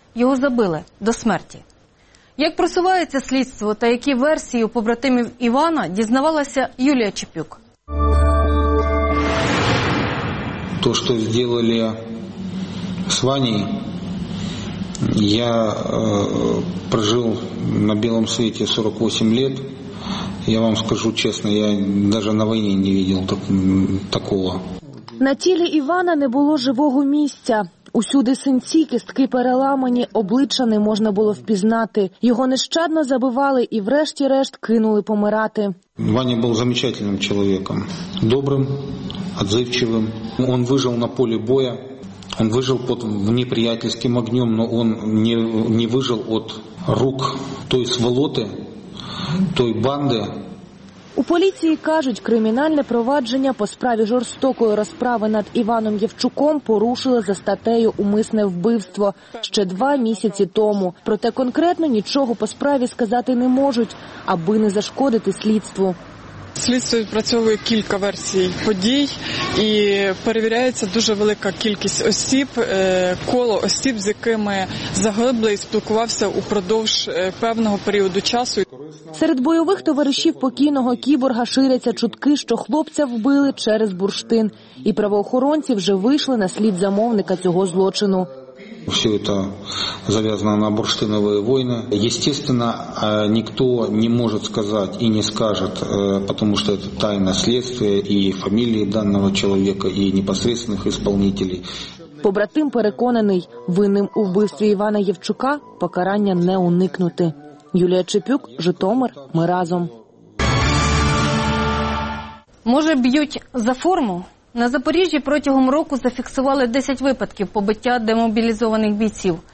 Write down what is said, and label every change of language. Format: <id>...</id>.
<uk>Його забили до смерті. Як просувається слідство та які версії у побратимів Івана, дізнавалася Юлія Чепюк. То, що зробили з Ваней,</uk> <ru>я прожил на белом свете 48 лет. Я вам скажу честно, я даже на войне не видел такого.</ru> <uk>На тілі Івана не було живого місця. Усюди синці, кістки переламані, обличчя не можна було впізнати. Його нещадно забивали і врешті-решт кинули помирати. Ваня був замечательним чоловіком. Добрим, відзивчивим. Він вижив на полі бою.</uk> <ru>Он выжил под неприятельским огнем, но он не выжил от рук той сволоты, той банды.</ru> <uk>У поліції кажуть, кримінальне провадження по справі жорстокої розправи над Іваном Євчуком порушили за статтею «Умисне вбивство» ще 2 місяці тому. Проте конкретно нічого по справі сказати не можуть, аби не зашкодити слідству. Слідство відпрацьовує кілька версій подій і перевіряється дуже велика кількість осіб, коло осіб, з якими загиблий спілкувався упродовж певного періоду часу. Серед бойових товаришів покійного кіборга ширяться чутки, що хлопця вбили через бурштин. І правоохоронці вже вийшли на слід замовника цього злочину.</uk> <ru>Все это завязано на бурштиновые войны. Естественно, никто не может сказать и не скажет, потому что это тайна следствия и фамилии данного человека, и непосредственных исполнителей.</ru> <uk>Побратим переконаний, винним у вбивстві Івана Євчука покарання не уникнути. Юлія Чепюк, Житомир, ми разом. Може, б'ють за форму? На Запоріжжі протягом року зафіксували 10 випадків побиття демобілізованих бійців.</uk>